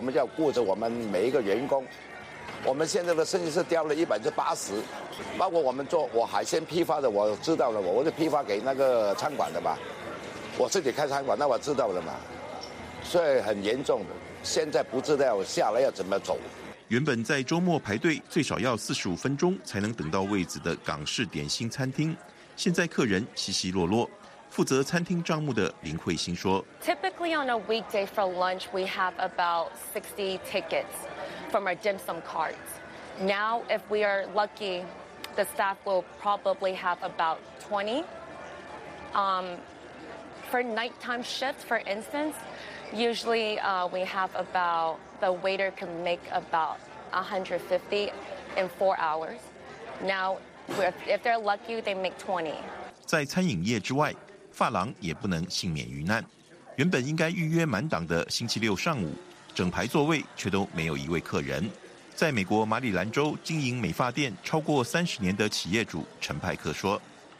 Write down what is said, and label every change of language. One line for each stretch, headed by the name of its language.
Chinese: 我们要顾着我们每一个员工。我们现在的生意是掉了80%，包括我们做我海鲜批发的，我知道了，我是批发给那个餐馆的吧，我自己开餐馆，那我知道了嘛，所以很严重的，现在不知道下来要怎么走。原本在周末排队最少要45分钟才能等到位子的港式点心餐厅，现在客人稀稀落落。负责餐厅账目的林慧欣说
English: ：“Typically on a weekday for lunch, we have about 60 tickets from our dim sum carts. Now, if we are lucky, the staff will probably have about 20. For nighttime shifts, for instance, usually we have about the waiter can make about 150 in 4 hours. Now, if they're lucky, they make 20.
Chinese: 在餐饮业之外。” 发廊也不能幸免于难，原本应该预约满档的星期六上午，整排座位却都没有一位客人。在美国马里兰州经营美发店超过30年的企业主陈派克说：“